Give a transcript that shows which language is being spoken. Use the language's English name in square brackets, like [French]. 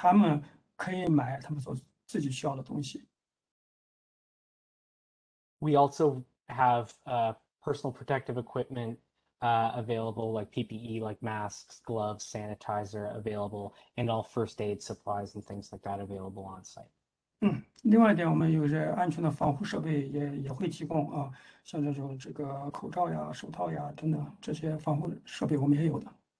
[Chinese] 嗯，我觉得你这个Ryan绝大部分都已经提到了，就我们这边的居民呢，有些是有收入的，那么呢，他们可以买他们所自己需要的东西。 [English] We also have personal protective equipment available, like PPE, like masks, gloves, sanitizer available, and all first aid supplies and things like that available on site. [Chinese] 嗯，另外一点，我们有些安全的防护设备也会提供啊，像这种这个口罩呀、手套呀等等这些防护设备，我们也有的。